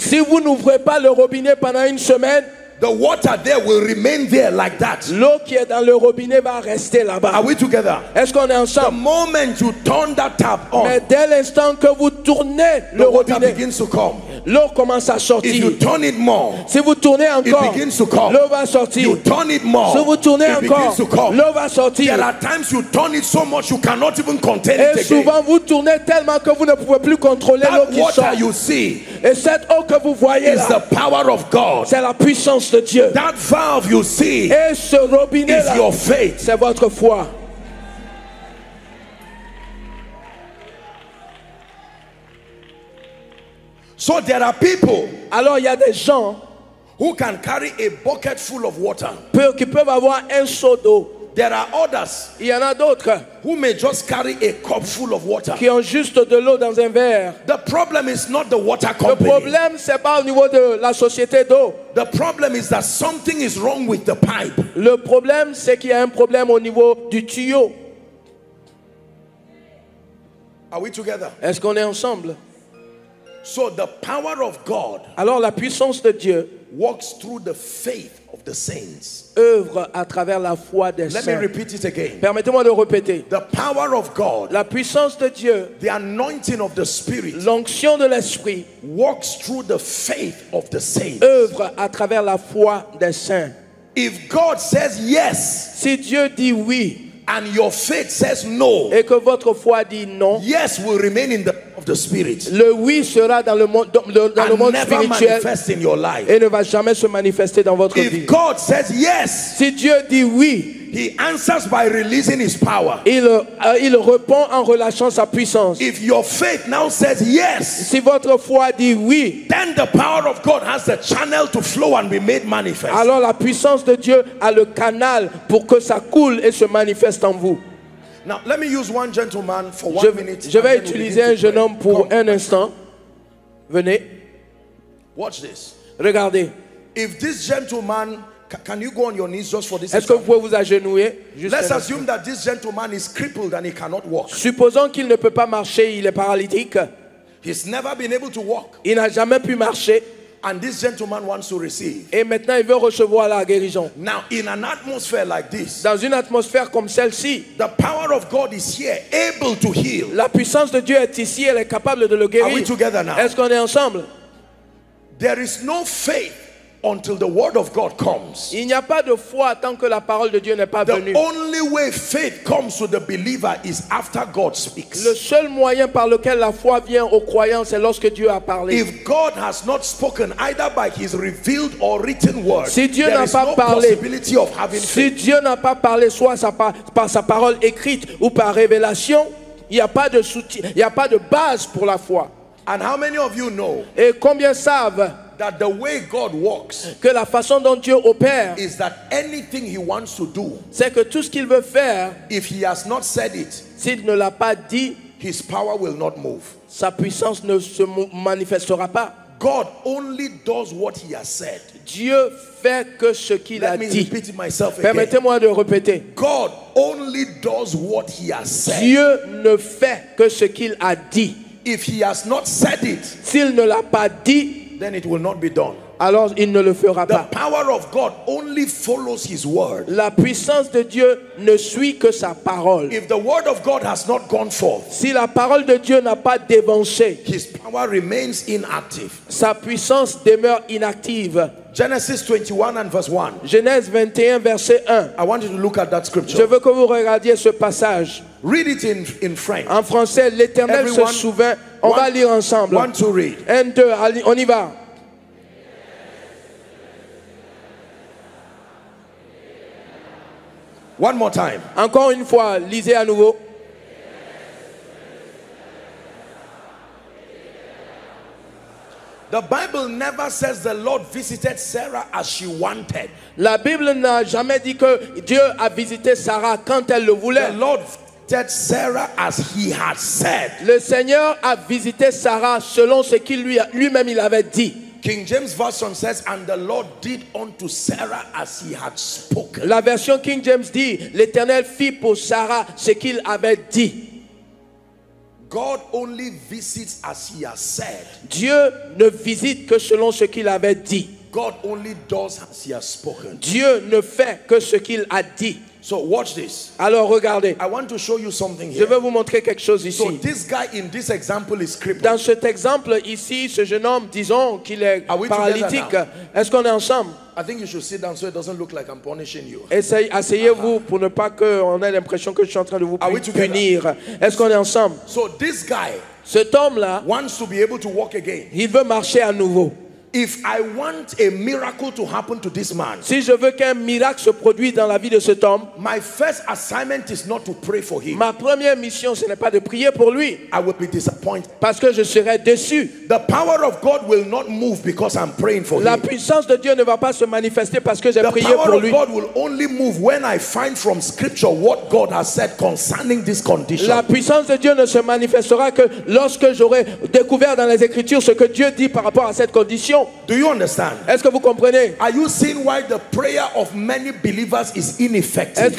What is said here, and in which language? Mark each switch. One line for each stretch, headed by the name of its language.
French: si vous n'ouvrez pas le robinet pendant une semaine,
English: the water there will remain there like that.
French: L'eau qui est dans le robinet va rester là-bas.
English: Are we together?
French: Est-ce qu'on est ensemble?
English: The moment you turn that tap on,
French: mais dès l'instant que vous tournez le robinet,
English: water begins to come.
French: L'eau commence à sortir.
English: If you turn it more,
French: si vous tournez encore,
English: it begins to come.
French: L'eau va sortir.
English: You turn it more,
French: si vous tournez
English: it
French: encore,
English: begins to come.
French: L'eau va sortir.
English: There are times you turn it so much you cannot even contain
French: et
English: it again.
French: Et souvent vous tournez tellement que vous ne pouvez plus contrôler
English: that
French: l'eau qui
English: water
French: sort.
English: You see,
French: et cette eau que vous voyez
English: is
French: là,
English: the power of God.
French: C'est la puissance de Dieu.
English: That valve you see,
French: et ce robinet
English: is
French: là,
English: your faith.
French: C'est votre foi.
English: So So there are people.
French: Alors il y a des gens
English: who can carry a bucket full of water.
French: Qui peuvent avoir un seau d'eau.
English: There are others.
French: Il y en a d'autres
English: who may just carry a cup full of water.
French: Qui ont juste de l'eau dans un verre.
English: The problem is not the water company.
French: Le problème c'est pas au niveau de la société d'eau.
English: The problem is that something is wrong with the pipe.
French: Le problème c'est qu'il y a un problème au niveau du tuyau.
English: Are we together?
French: Est-ce qu'on est ensemble?
English: So the power of God.
French: Alors la puissance de Dieu
English: works through the faith of the saints.
French: Œuvre à travers la foi des saints.
English: Let me repeat it again.
French: Permettez-moi de répéter.
English: The power of God.
French: La puissance de Dieu.
English: The anointing of the Spirit.
French: L'onction de l'esprit
English: works through the faith of the saints.
French: Œuvre à travers la foi des saints.
English: If God says yes,
French: si Dieu dit oui,
English: and your faith says no,
French: et que votre foi dit non,
English: yes will remain in the of the spirit.
French: Le oui sera dans le monde dans le monde spirituel et ne va jamais se manifester dans votre
English: if
French: vie.
English: If God says yes,
French: si Dieu dit oui,
English: he answers by releasing his power.
French: Il répond en relâchant sa puissance.
English: If your faith now says yes,
French: si votre foi dit oui,
English: then the power of God has the channel to flow and be made manifest.
French: Alors la puissance de Dieu a le canal pour que ça coule et se manifeste en vous.
English: Now let me use one gentleman for one minute.
French: Je vais utiliser un jeune homme pour un instant. Venez.
English: Watch this.
French: Regardez.
English: If this gentleman, can you go on your knees just for this?
French: Est-ce que vous pouvez vous agenouiller?
English: Let's assume that this gentleman is crippled and he cannot walk.
French: Supposons qu'il ne peut pas marcher, il est paralytique.
English: He's never been able to walk.
French: Il n'a jamais pu marcher.
English: And this gentleman wants to receive.
French: Et maintenant, il veut recevoir la guérison.
English: Now, in an atmosphere like this,
French: dans une atmosphère comme celle-ci,
English: the power of God is here, able to heal.
French: La puissance de Dieu est ici, elle est capable de le guérir.
English: Are we together now?
French: Est-ce qu'on est ensemble?
English: There is no faith until the word of God comes.
French: Il n'y a pas de foi tant que la parole de Dieu n'est pas venue.
English: The only way faith comes to the believer is after God speaks.
French: Le seul moyen par lequel la foi vient au croyant, c'est lorsque Dieu a parlé.
English: If God has not spoken either by his revealed or written word,
French: si Dieu
English: there
French: n'a
English: is
French: pas
English: no
French: parlé,
English: possibility of having faith.
French: Si Dieu n'a pas parlé, soit par sa parole écrite ou par révélation, il n'y a pas de soutien, il n'y a pas de base pour la foi.
English: And how many of you know?
French: Et combien savent
English: that the way God works,
French: que la façon dont Dieu opère,
English: is that anything he wants to do,
French: c'est que tout ce qu'il veut faire,
English: if he has not said it,
French: s'il ne l'a pas dit,
English: his power will not move.
French: Sa puissance ne se manifestera pas.
English: God only does what he has said.
French: Dieu fait que ce qu'il
English: Let
French: a
English: me
French: dit.
English: Repeat it myself again.
French: Permettez-moi de répéter.
English: God only does what he has said.
French: Dieu ne fait que ce qu'il a dit.
English: If he has not said it,
French: s'il ne l'a pas dit,
English: then it will not be done.
French: Alors il ne le fera
English: the
French: pas.
English: The power of God only follows his word.
French: La puissance de Dieu ne suit que sa parole.
English: If the word of God has not gone forth,
French: si la parole de Dieu n'a pas dévancé,
English: his power remains inactive.
French: Sa puissance demeure inactive.
English: Genesis 21 and verse 1.
French: Genèse 21 verset 1.
English: I want you to look at that scripture.
French: Je veux que vous regardiez ce passage.
English: Read it in French.
French: En français, l'Éternel se souvint. On va lire ensemble.
English: One to read.
French: Un, deux, on y va.
English: One more time.
French: Encore une fois, lisez à nouveau.
English: The Bible never says the Lord visited Sarah as she wanted.
French: La Bible n'a jamais dit que Dieu a visité Sarah quand elle le voulait.
English: The Lord visited Sarah as he had said.
French: Le Seigneur a visité Sarah selon ce qu'il lui-même il avait dit.
English: King James Version says, and the Lord did unto Sarah as he had spoken.
French: La version King James dit, l'Éternel fit pour Sarah ce qu'il avait dit.
English: God only visits as he has said.
French: Dieu ne visite que selon ce qu'il avait dit.
English: God only does as he has spoken.
French: Dieu ne fait que ce qu'il a dit.
English: So watch this.
French: Alors regardez.
English: I want to show you something here.
French: Je vais vous montrer quelque chose ici.
English: So this guy in this example is crippled.
French: Dans cet exemple ici, ce jeune homme, disons qu'il est paralytique. Est-ce qu'on est ensemble?
English: I think you should sit down so it doesn't look like I'm punishing you.
French: Asseyez-vous pour ne pas que on ait l'impression que je suis en train de vous punir. Est-ce qu'on est ensemble?
English: So this guy,
French: cet homme-là,
English: wants to be able to walk again.
French: Il veut marcher à nouveau.
English: If I want a miracle to happen to this man,
French: si je veux qu'un miracle se produise dans la vie de cet homme,
English: my first assignment is not to pray for him.
French: Ma première mission, ce n'est pas de prier pour lui.
English: I will be disappointed.
French: Parce que je serai déçu.
English: The power of God will not move because I'm praying for
French: la
English: him.
French: La puissance de Dieu ne va pas se manifester parce que j'ai
English: the
French: prié pour lui.
English: The power of God will only move when I find from Scripture what God has said concerning this condition.
French: La puissance de Dieu ne se manifestera que lorsque j'aurai découvert dans les Écritures ce que Dieu dit par rapport à cette condition.
English: Do you understand?
French: Est-ce que vous comprenez?
English: Are you seeing why the prayer of many believers is ineffective?